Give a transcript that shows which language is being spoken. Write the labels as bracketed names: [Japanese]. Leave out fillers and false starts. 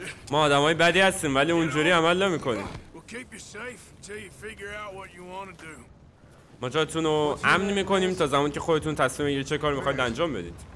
[Persian] ما آدم های بدی هستیم ولی اونجوری عمل نمی کنیم. [English] Keep you safe until you figure out what you want to do. [Persian] ما جاتونو امن میکنیم تا زمانی که خودتون تصمیم بگیرید چه کار میخواید انجام بدید.